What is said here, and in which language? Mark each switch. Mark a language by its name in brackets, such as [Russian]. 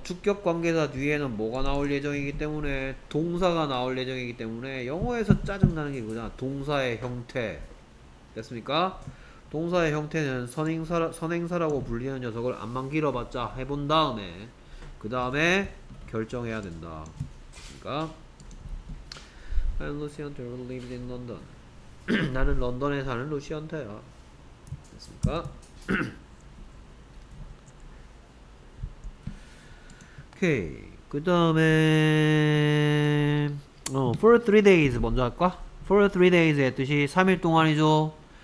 [Korean] 주격 관계사 뒤에는 뭐가 나올 예정이기 때문에 동사가 나올 예정이기 때문에 영어에서 짜증나는 게 뭐냐? 동사의 형태. 됐습니까? 동사의 형태는 선행사라고 불리는 녀석을 암만 길어봤자 해본 다음에 그 다음에 결정해야 된다. 그러니까 [English] I'm Lucy Hunter who lives in London. [Korean] 나는 런던에 사는 루시 헌터야. 됐습니까? 오케이. 그 다음에 [English] for 3 days [Korean] 먼저 할까? [English] for 3 days [Korean] 했듯이 3일 동안이죠.